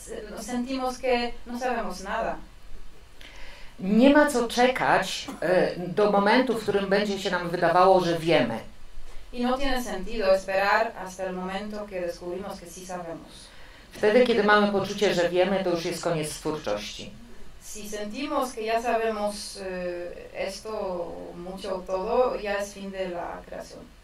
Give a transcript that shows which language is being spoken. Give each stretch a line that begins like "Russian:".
Spanish: Nos sentimos que no sabemos nada.
Polish: Nie ma co czekać do momentu, w którym będzie się nam wydawało, że wiemy.
Spanish: I no tiene sentido esperar hasta el momento que descubrimos que sí sabemos.
Polish: Wtedy, kiedy mamy poczucie, że wiemy, to już jest koniec twórczości.
Spanish: Si sentimos que ya sabemos esto mucho todo, ya es fin de la creación.